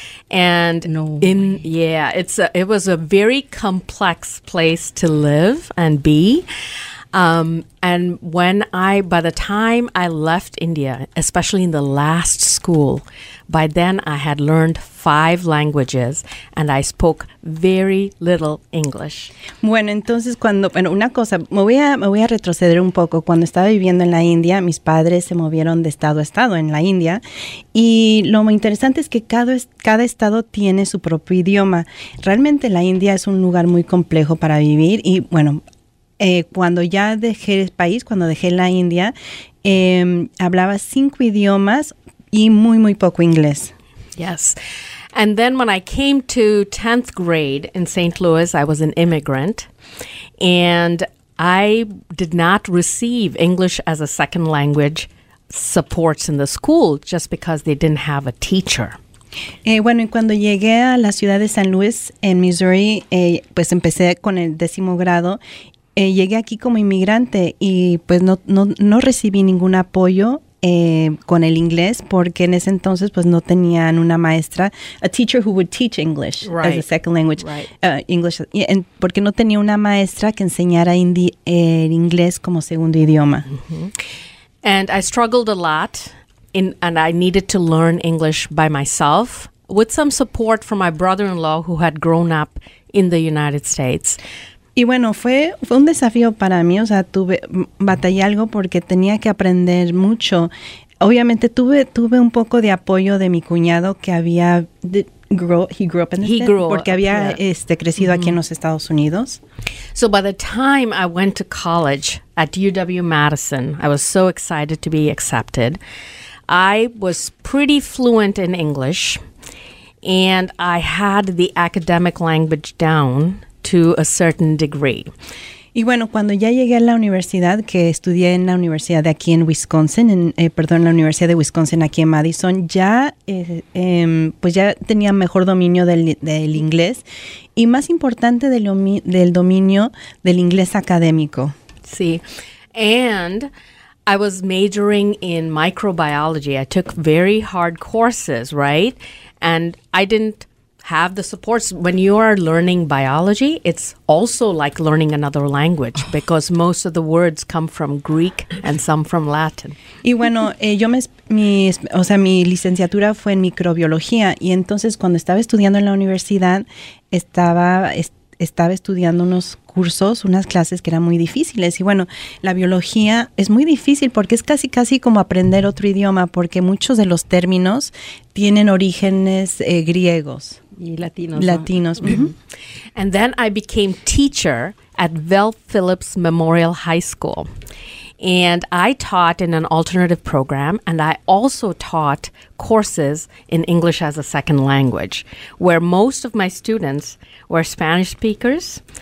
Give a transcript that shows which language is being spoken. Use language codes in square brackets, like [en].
[en] And it was a very complex place to live and be. By the time I left India, especially in the last school, by then I had learned 5 languages and I spoke very little English. [es] Bueno, entonces me voy a retroceder un poco. Cuando estaba viviendo en la India, mis padres se movieron de estado a estado en la India. Y lo muy interesante es que cada estado tiene su propio idioma. Realmente la India es un lugar muy complejo para vivir y bueno, cuando ya dejé el país, cuando dejé la India, hablaba 5 idiomas y muy, muy poco inglés. [en] Yes. And then when I came to 10th grade in St. Louis, I was an immigrant. And I did not receive English as a second language supports in the school just because they didn't have a teacher. [es] Bueno, y cuando llegué a la ciudad de San Luis, en Missouri, pues empecé con el décimo grado. Llegué aquí como inmigrante y pues no recibí ningún apoyo con el inglés porque en ese entonces pues no tenían una maestra, [en] a teacher who would teach English as a second language, English, [es] porque no tenía una maestra que enseñara el inglés como segundo idioma. Mm-hmm. [en] And I struggled a lot and I needed to learn English by myself with some support from my brother-in-law who had grown up in the United States. [es] Y bueno, fue un desafío para mí, o sea, batallé algo porque tenía que aprender mucho. Obviamente tuve un poco de apoyo de mi cuñado que había crecido aquí en los Estados Unidos. [en] So by the time I went to college at UW-Madison, I was so excited to be accepted. I was pretty fluent in English and I had the academic language down to a certain degree. [es] Y bueno, cuando ya llegué a la universidad, que estudié en la universidad de aquí en Wisconsin, en la Universidad de Wisconsin aquí en Madison, ya pues ya tenía mejor dominio del inglés y más importante del dominio del inglés académico. [en] Sí, and I was majoring in microbiology. I took very hard courses, right? And I didn't have the supports. When you are learning biology, it's also like learning another language because most of the words come from Greek and some from Latin. [es] Y bueno, mi licenciatura fue en microbiología y entonces cuando estaba estudiando en la universidad estaba estudiando unos cursos, unas clases que eran muy difíciles. Y bueno, la biología es muy difícil porque es casi, casi como aprender otro idioma porque muchos de los términos tienen orígenes griegos. Y latinos. Latinos. Mm-hmm. [en] And then I became teacher at Vell Phillips Memorial High School. And I taught in an alternative program, and I also taught courses in English as a second language, where most of my students were Spanish speakers.